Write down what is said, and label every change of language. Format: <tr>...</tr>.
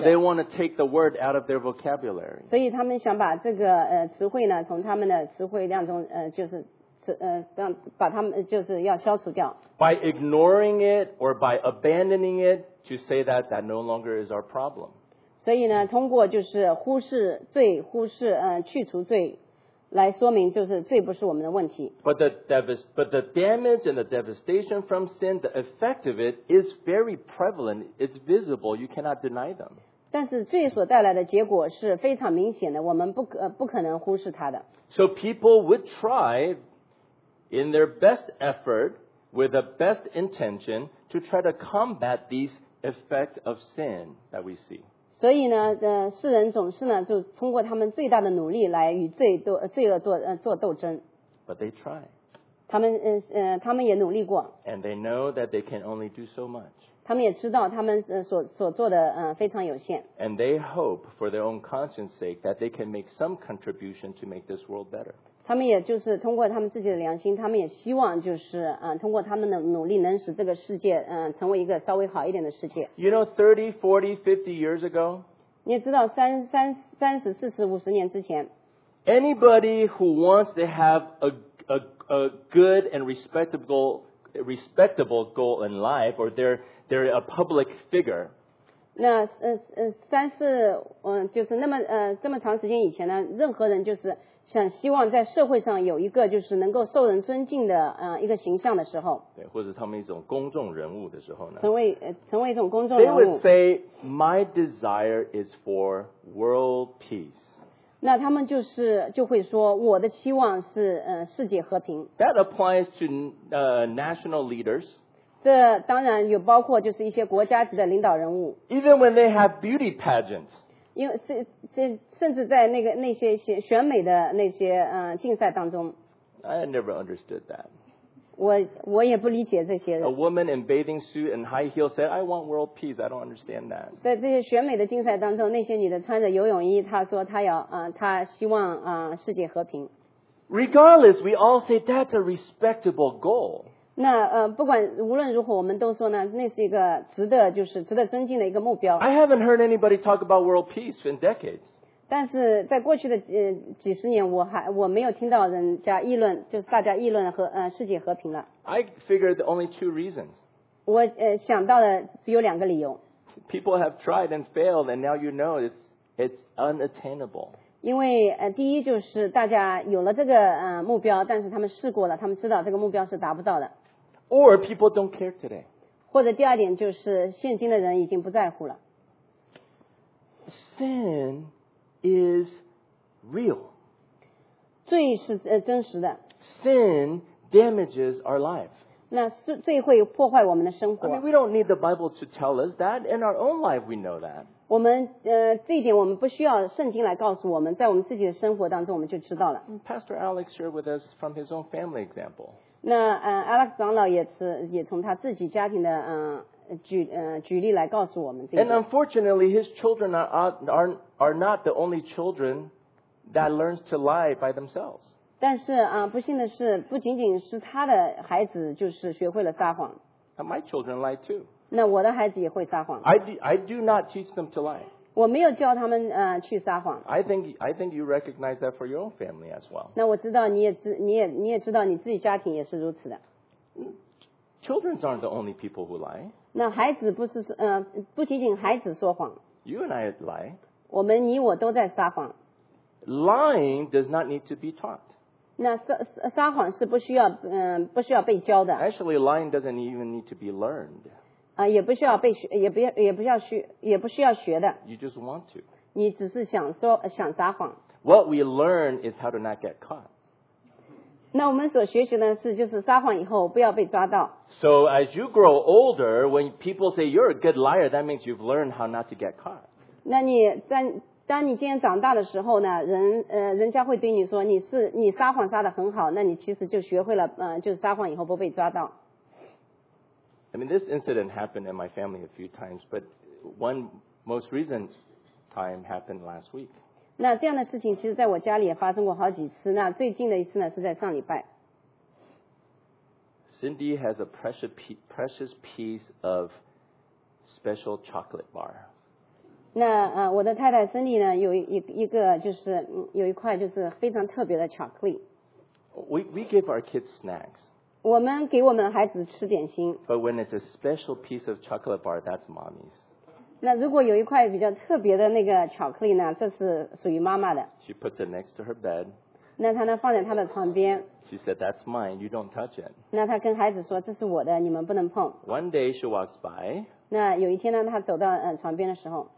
<en>So they want to take the word out of their vocabulary.</en> <zh>所以他们想把这个词汇呢从他们的词汇量中就是让把他们就是要消除掉。</zh> <en>By ignoring it or by abandoning it to say that that no longer is our problem.</en> <zh>所以呢通过就是忽视罪忽视去除罪。来说明就是罪不是我们的问题。</zh> <en>But the damage and the devastation from sin, the effect of it is very prevalent. It's visible. You cannot deny them.</en> <zh>但是罪所带来的结果是非常明显的，我们不可能忽视它的。</zh> <en>So people would try, in their best effort, with the best intention, to try to combat these effects of sin that we see.</en> <zh>所以呢，世人总是呢，就通过他们最大的努力来与罪恶做斗争。</zh> <en>But they try.</en> <zh>他们也努力过。</zh> <en>And they know that they can only do so much.</en> <zh>他们也知道他们所做的非常有限。</zh> <en>And they hope for their own conscience sake that they can make some contribution to make this world better.</en> <zh>他们也就是通过他们自己的良心，他们也希望就是通过他们的努力能使这个世界成为一个稍微好一点的世界。</zh> <en>You know, 30, 40, 50 years ago,</en> <zh>你也知道30, 40, 50年之前</zh> <en>anybody who wants to have a good and respectable goal in life, or they're a public figure,</en> <zh>那三四就是那么这么长时间以前呢，任何人就是想希望在社会上有一个就是能够受人尊敬的一个形象的时候，对，或者他们一种公众人物的时候呢，成为一种公众人物。</zh> <en>They would say, "My desire is for world peace."</en> <zh>那他们就会说，我的期望是世界和平。</zh> <en>That applies to national leaders.</en> <zh>这当然有包括就是一些国家级的领导人物。</zh> <en>Even when they have beauty pageants.</en> <zh>因为甚至在那些选美的那些竞赛当中。</zh> <en>I never understood that.</en> <zh>我也不理解这些。</zh> <en>A woman in bathing suit and high heels said, "I want world peace." I don't understand that.</en> <zh>在这些选美的竞赛当中，那些女的穿着游泳衣，她说她要她希望世界和平。</zh> <en>Regardless, we all say that's a respectable goal.</en> <zh>那不管无论如何，我们都说呢，那是一个值得就是值得尊敬的一个目标。</zh> <en>I haven't heard anybody talk about world peace in decades.</en> <zh>但是在过去的几十年，我没有听到人家议论，就是大家议论和世界和平了。</zh> <en>I figured only two reasons.</en> <zh>我想到的只有两个理由。</zh> <en>People have tried and failed, and now you know it's unattainable.</en> <zh>因为第一就是大家有了这个目标，但是他们试过了，他们知道这个目标是达不到的。</zh> <en>Or people don't care today.</en> <zh>或者第二点就是现今的人已经不在乎了。</zh> <en>Sin is real.</en> <zh>罪是真实的。</zh> <en>Sin damages our life.</en> <zh>那罪会破坏我们的生活。</zh> <en>I mean, we don't need the Bible to tell us that. In our own life, we know that.</en> <zh>我们这一点我们不需要圣经来告诉我们，在我们自己的生活当中我们就知道了。</zh> <en>Pastor Alex shared with us from his own family example.</en> <zh>那Alex 长老也从他自己家庭的举例来告诉我们这一点。</zh> <en>And unfortunately, his children are not the only children that learns to lie by themselves.</en> <zh>但是不幸的是，不仅仅是他的孩子就是学会了撒谎。</zh> <en>And my children lie too.</en> <zh>那我的孩子也会撒谎。</zh> <en>I do not teach them to lie.</en> <zh>我没有教他们去撒谎。</zh> <en>I think you recognize that for your own family as well.</en> <zh>那我知道你也知道你自己家庭也是如此的。</zh> <en>Children aren't the only people who lie.</en> <zh>那孩子不是不仅仅孩子说谎。</zh> <en>You and I lie.</en> <zh>我们你我都在撒谎。</zh> <en>Lying does not need to be taught.</en> <zh>那撒谎是不需要被教的。</zh> <en>Actually, lying doesn't even need to be learned.</en> <zh>也不需要被学，也不需要学的。</zh> <en>You just want to.</en> <zh>你只是想说想撒谎。</zh> <en>What we learn is how to not get caught.</en> <zh>那我们所学习的是，就是撒谎以后不要被抓到。</zh> <en>So as you grow older, when people say you're a good liar, that means you've learned how not to get caught.</en> <zh>那你当你渐渐长大的时候呢，人家会对你说你撒谎撒得很好，那你其实就学会了就是撒谎以后不被抓到。</zh> <en>I mean, this incident happened in my family a few times, but one most recent time happened last week.</en> <zh>那这样的事情其实在我家里也发生过好几次。那最近的一次呢，是在上礼拜。</zh> <en>Cindy has a precious piece of special chocolate bar.</en> <zh>那啊，我的太太 Cindy 呢，有一个就是有一块就是非常特别的巧克力。</zh> <en>We give our kids snacks.</en> <zh>我们给我们的孩子吃点心。</zh> <en>But when it's a special piece of chocolate bar, that's mommy's.</en> <zh>那如果有一块比较特别的那个巧克力呢，这是属于妈妈的。</zh> <en>She puts it next to her bed.</en> <zh>那她呢放在她的床边。</zh> <en>She said, "That's mine. You don't touch it."</en> <zh>那她跟孩子说，这是我的，你们不能碰。</zh> <en>One day she walks by.</en> <zh>那有一天呢，她走到床边的时候。</zh>